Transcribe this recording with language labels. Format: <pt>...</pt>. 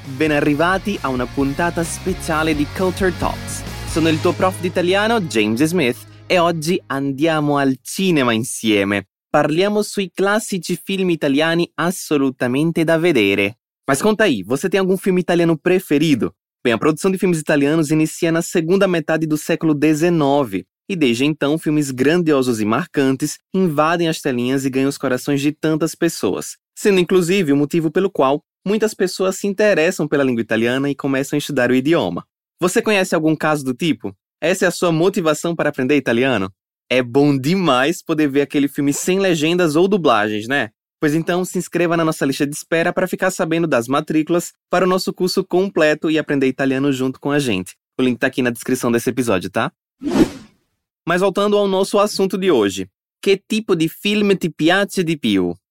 <it>Ben arrivati a una puntata speciale di Culture Talks. Sono il tuo prof d'italiano, James Smith, e oggi andiamo al cinema insieme. Parliamo sui classici film italiani assolutamente da vedere.</it> <pt>Mas conta aí, você tem algum filme italiano preferido? Bem, a produção de filmes italianos inicia na segunda metade do século XIX. E desde então, filmes grandiosos e marcantes invadem as telinhas e ganham os corações de tantas pessoas. Sendo, inclusive, o motivo pelo qual muitas pessoas se interessam pela língua italiana e começam a estudar o idioma. Você conhece algum caso do tipo? Essa é a sua motivação para aprender italiano? É bom demais poder ver aquele filme sem legendas ou dublagens, né? Pois então, se inscreva na nossa lista de espera para ficar sabendo das matrículas para o nosso curso completo e aprender italiano junto com a gente. O link está aqui na descrição desse episódio, tá? Mas voltando ao nosso assunto de hoje. Que tipo de filme</pt> <it>ti piace di più?</it>